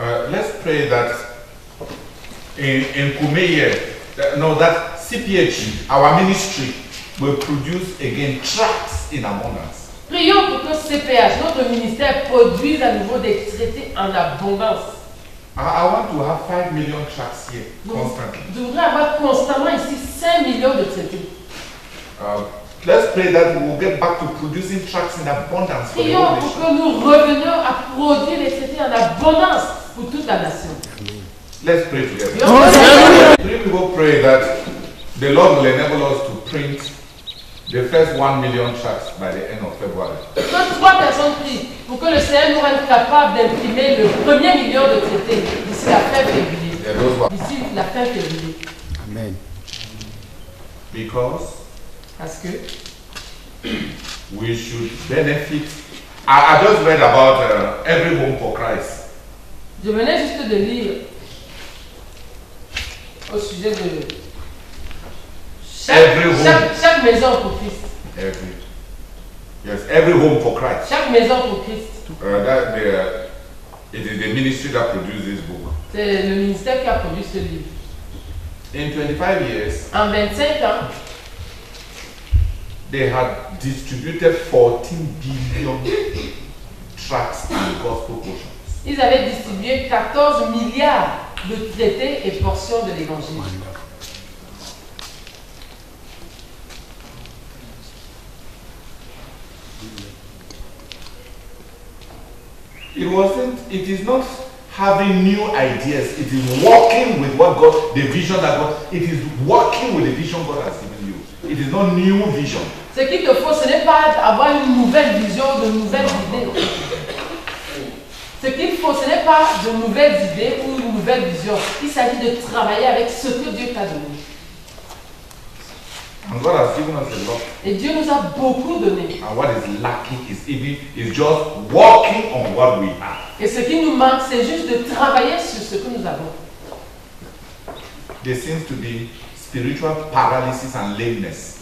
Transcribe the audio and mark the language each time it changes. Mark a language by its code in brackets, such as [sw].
[en] Let's pray that in Kumeye, that CPHG, our ministry, will produce again tracts in abundance. [fr] Prions pour que CPH, notre ministère, produise à nouveau des traités en abondance. [en] I want to have 5 million tracts here, constantly. [fr] Nous devrions avoir constamment ici 5 millions de traités. [en] Let's pray that we will get back to producing tracts in abundance for [fr] prions pour que nous revenions à produire les traités en abondance pour toute la nation. [en] Let's pray together. We will pray that the Lord will enable us to print the first 1 million tracts by the end of February. [fr] Que trois personnes prient pour que le Seigneur nous rende capable d'imprimer le premier million de traités d'ici la fin février. D'ici la fin février. Amen. [en] Because [fr] parce que [en] we should benefit. I just read about every home for Christ. [fr] Je venais juste de lire au sujet de chaque maison pour Christ. [en] Every home for Christ. [fr] Chaque maison pour Christ. [en] It is the ministry that produced this book. [fr] C'est le ministère qui a produit ce livre. [en] In 25 years. [fr] En 25 ans. [en] They had distributed 14 billion tracts in the gospel portions. [fr] Ils avaient distribué 14 milliards de traités et portions de l'évangile. [en] It is not having new ideas. It is working with what God, the vision that God, it is working with the vision God has given you. It is not new vision. [fr] Ce qu'il te faut, ce n'est pas avoir une nouvelle vision, de nouvelles idées. Ce qu'il faut, ce n'est pas de nouvelles idées ou de nouvelles visions. Il s'agit de travailler avec ce que Dieu t'a donné. [en] And God has given us a lot. [fr] Et Dieu nous a beaucoup donné. [en] And what is lacking is even is just working on what we have. [fr] Et ce qui nous manque, c'est juste de travailler sur ce que nous avons. [en] There seems to be spiritual paralysis and lameness.